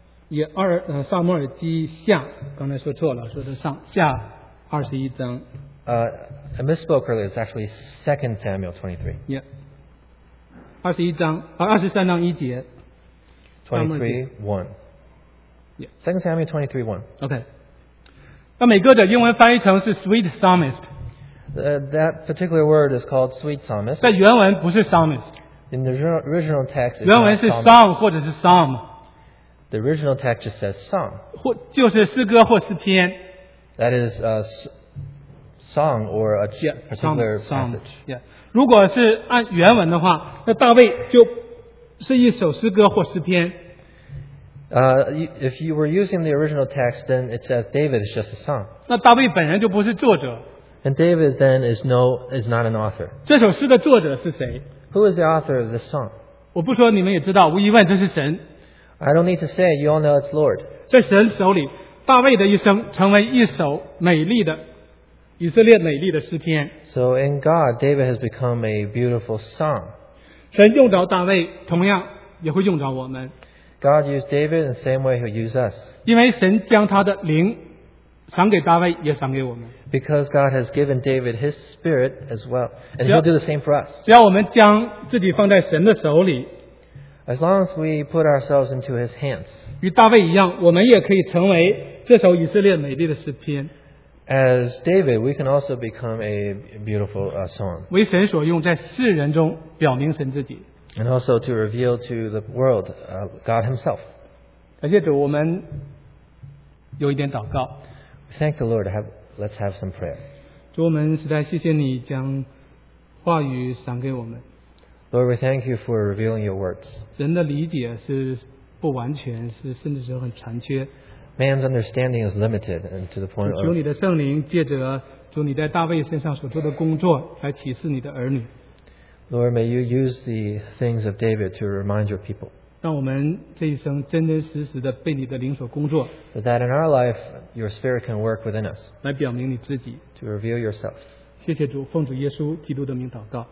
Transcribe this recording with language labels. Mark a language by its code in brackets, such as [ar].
[zh] 也二撒母耳记下刚才说错了，说是上下二十一章。 [en] I misspoke earlier. It's actually 2 Samuel 23. Yeah. [zh] 二十一章二十三章一节。 [en] 23:1. Yeah. 2 Samuel 23:1. [zh] Okay. 那每个的英文翻译成是 sweet psalmist。 [en] That particular word is called sweet psalmist. [zh] 但原文不是 psalmist. [en] In the original text, it's [zh] 原文是 psalm 或者是 psalm. [en] The original text just says psalm. [zh] 就是诗歌或诗篇。 [en] That is a song or a particular passage. Yeah. [zh] 如果是按原文的话，那大卫就是一首诗歌或诗篇。 [en] If you were using the original text, then it says David is just a song. [zh] 那大卫本人就不是作者。 [en] And David then is not an author. [zh] 这首诗的作者是谁？ [en] Who is the author of this song? [zh] 我不说你们也知道，无疑问这是神。 [en] I don't need to say, you all know it's Lord. [zh] 在神手里，大卫的一生成为一首美丽的以色列美丽的诗篇。 [en] So in God, David has become a beautiful song. [zh] 神用着大卫，同样也会用着我们。 [en] God used David in the same way He'll use us. [zh] 因为神将他的灵赏给大卫，也赏给我们。 [en] Because God has given David His Spirit as well, and He'll do the same for us. [zh] 只要我们将自己放在神的手里。 [en] As long as we put ourselves into His hands. [zh] 与大卫一样，我们也可以成为这首以色列美丽的诗篇。 [en] As David, we can also become a beautiful song. [zh] 为神所用，在世人中表明神自己。 [en] And also to reveal to the world God Himself. [zh] 感谢主，我们有一点祷告。 [en] Thank the Lord. Let's have some prayer. [zh] 主，我们实在谢谢你将话语赏给我们。 [en] Lord, we thank you for revealing your words. [zh] 人的理解是不完全，是甚至是很残缺。 [en] Man's understanding is limited, and to the point of. [zh] 求你的圣灵借着主你在大卫身上所做的工作来启示你的儿女。 [en] Lord, may you use the things of David to remind your people. [zh] 让我们这一生真真实实的被你的灵所工作。 [en] That in our life, your spirit can work within us. [zh] 来表明你自己。 [en] To reveal yourself. [zh] 谢谢主，奉主耶稣基督的名祷告。